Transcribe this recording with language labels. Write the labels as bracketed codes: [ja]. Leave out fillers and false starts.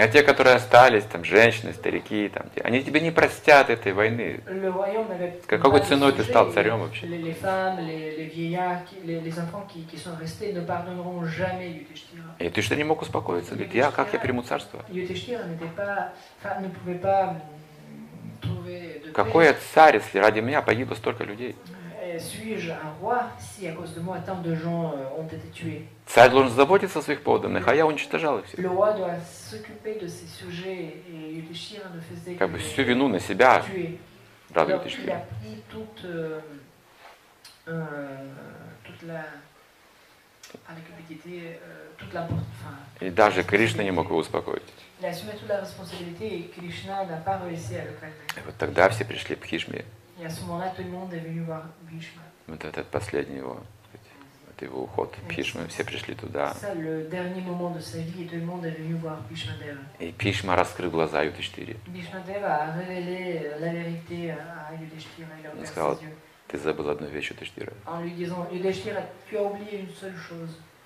[ru] А те, которые остались, там, женщины, старики, там, они тебе не простят этой войны. Какой ценой ты стал царем вообще? [fr] Les femmes, les vieillards, les enfants qui sont restés ne pardonneront jamais Yudhishthira. [ru] И ты что, не мог успокоиться? Говорит, я, как я приму царство? [fr] Yudhishthira n'était pas, enfin, ne pouvait pas trouver de... [ru] Какой я царь, если ради меня погибло столько людей? [fr] Suis-je un roi si à cause de moi tant de gens ont été tués? [ru] Царь должен заботиться о своих подданных, а я уничтожал их всех. [fr] Le roi doit s'occuper de ses sujets et Yudhishthira ne faisait que... [ru] Как бы всю вину на себя брал [fr] Yudhishthira. Donc il a pris toute la... avec l'équité, toute la... [ru] И даже Кришна не мог его успокоить. [fr] Il a assumé toute la responsabilité et Krishna n'a pas réussi à le calmer. [ru] И вот тогда все пришли в Бхишме. [fr] И à ce moment-là, tout le monde est venu voir Bhishma. [ru] Вот этот последний его, вот его уход в Бхишму, все пришли туда. [fr] C'est ça, le dernier moment de sa vie, tout le monde est venu voir Bhishma Deva. [ru] И Бхишма раскрыл глаза Юдхиштхире. [fr] Bhishma Deva a révélé la vérité à Yudhishthira. [ru] Он сказал, ты забыл одну вещь, Юдхиштхира. [fr] En lui disant, Yudhishthira, tu as oublié une seule chose.